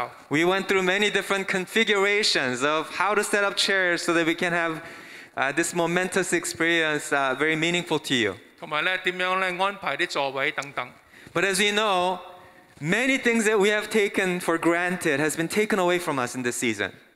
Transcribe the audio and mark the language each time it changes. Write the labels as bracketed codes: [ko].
[en] We went through many different configurations of how to set up chairs so that we can have this momentous experience very meaningful to you. [zh] 还有怎样安排座位等等。 [en] But as you know, many things that we have taken for granted has been taken away from us in this season.